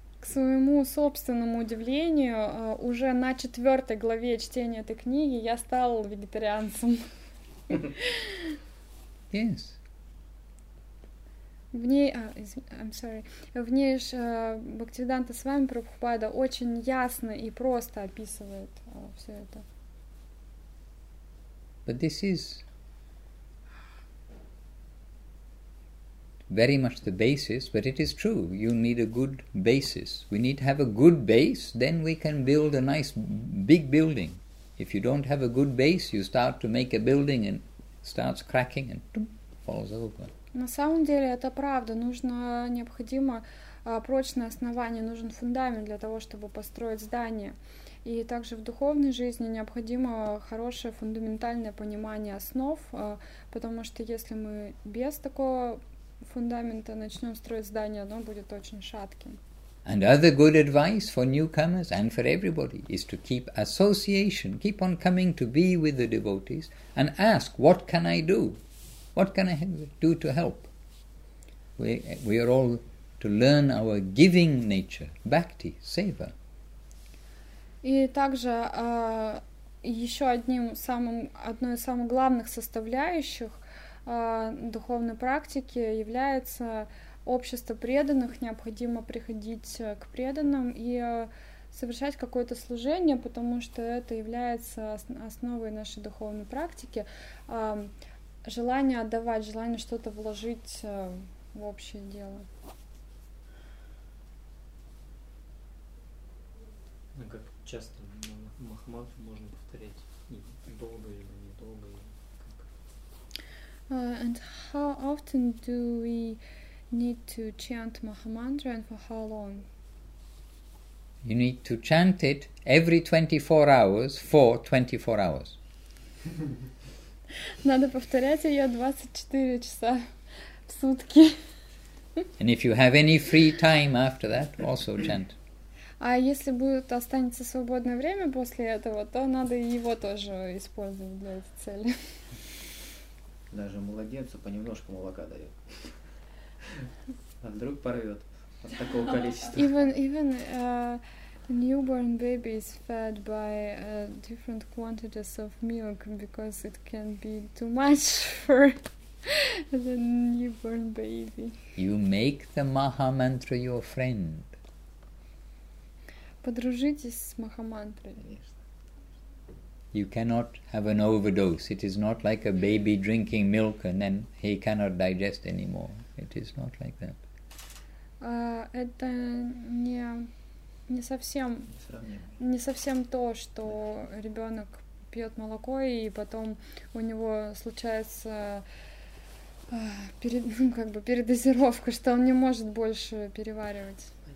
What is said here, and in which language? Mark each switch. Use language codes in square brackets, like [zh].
[ru] К своему собственному удивлению, уже на 4 главе чтения этой книги я стал вегетарианцем. [en] Yes. [ru] В ней Бхактивиданта Свами Прабхупада очень ясно и просто описывает все это. [en] But this is very much the basis, but it is true, you need a good basis. We need to have a good base, then we can build a nice big building. If you don't have a good base, you start to make a building and starts cracking and falls over. [ru] На самом деле это правда. Необходимо прочное основание, нужен фундамент для того, чтобы построить здание. И также в духовной жизни необходимо хорошее фундаментальное понимание основ, потому что если мы без такого фундамента начнем строить здание, оно будет очень шатким. [en] And other good advice for newcomers and for everybody is to keep association, keep on coming to be with the devotees and ask, what can I do? What can I do to help? We are all to learn our giving nature, bhakti, seva. [ru] И также еще одной из самых главных составляющих духовной практики является общество преданных, необходимо приходить к преданным и совершать какое-то служение, потому что это является основой нашей духовной практики, желание отдавать, желание что-то вложить в общее дело. Ну, как часто махмат можно повторять, долго или недолго. [en] And how often do we need to chant Mahamantra and for how long? You need to chant it every 24 hours for 24 hours. [ru] Надо повторять ее 24 часа в сутки. [en] And if you have any free time after that, also chant. [ru] А если будет останется свободное время после этого, то надо его тоже использовать для этой цели. Даже младенцу понемножку молока дает. А вдруг порвет от такого количества. [en] Even newborn baby is fed by different quantities of milk because it can be too much for the newborn baby. You make the Mahamantra your friend. [ru] Подружитесь с Махамантрой. [en] You cannot have an overdose. It is not like a baby drinking milk and then he cannot digest anymore. It is not like that. [ru] Это не совсем то, что ребенок пьет молоко и потом у него случается передозировка, что он не может больше переваривать.